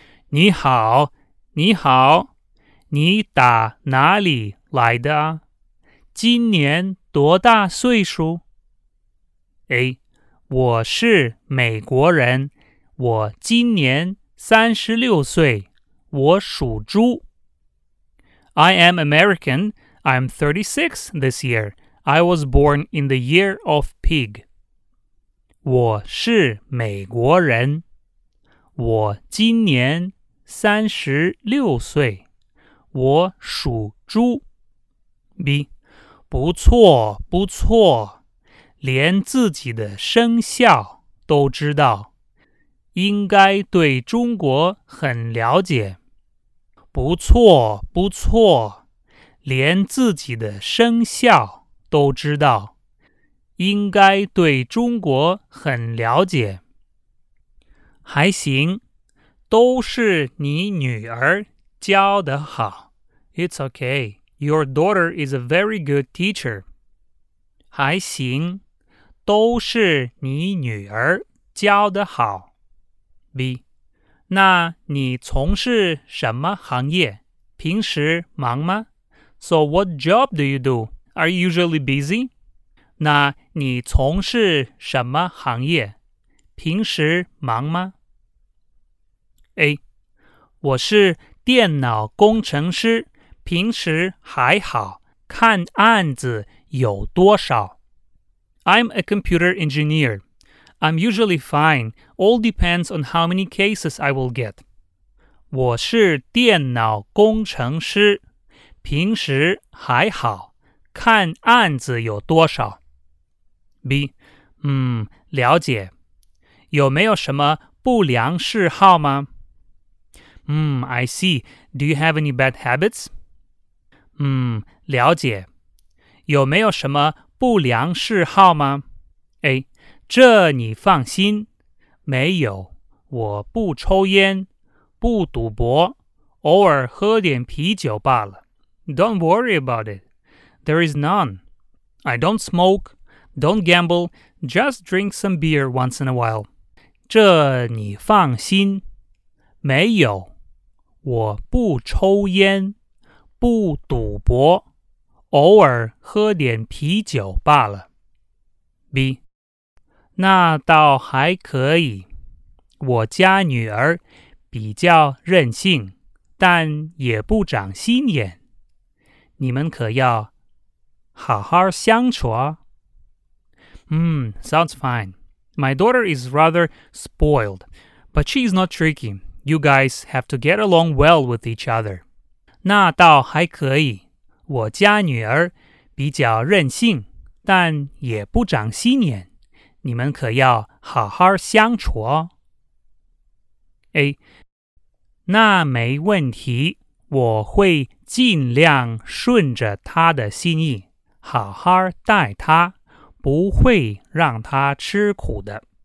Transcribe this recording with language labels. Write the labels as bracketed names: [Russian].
[Chinese] 你好,你好,你打哪里来的啊? 今年多大岁数?A. 我是美国人,我今年36岁,我属猪。 [English] I am American, I'm 36 this year. I was born in the year of pig. [Chinese] 我是美国人。我今年36岁。我属猪。 B. 不错不错。连自己的生肖都知道。应该对中国很了解。不错不错。连自己的生肖。都知道，应该对中国很了解。还行，都是你女儿教得好。 [English] It's okay, your daughter is a very good teacher. [Chinese] 还行，都是你女儿教得好。 B. 那你从事什么行业？平时忙吗？ [English] So what job do you do? Are you usually busy? [Chinese] 那你从事什么行业？平时忙吗？A. 我是电脑工程师，平时还好，看案子有多少。 [English] I'm a computer engineer. I'm usually fine. All depends on how many cases I will get. [Chinese] 我是电脑工程师，平时还好，看案子有多少。 B. 了解。有没有什么不良嗜好吗？ [English] I see. Do you have any bad habits? [Chinese] 了解。有没有什么不良嗜好吗？ A. 这你放心。没有。我不抽烟，不赌博，偶尔喝点啤酒罢了。 [English] Don't worry about it. There is none. I don't smoke, don't gamble, just drink some beer once in a while. [Chinese] 这你放心。没有。我不抽烟，不赌博，偶尔喝点啤酒罢了。 B. 那倒还可以。我家女儿比较任性，但也不长心眼。你们可要好好相处啊。 [English] Sounds fine. My daughter is rather spoiled, but she is not tricky. You guys have to get along well with each other. [Chinese] 那倒还可以。我家女儿比较任性，但也不长心眼。你们可要好好相处哦。 A. 那没问题，我会尽量顺着她的心意，好好待她，不会让她吃苦的。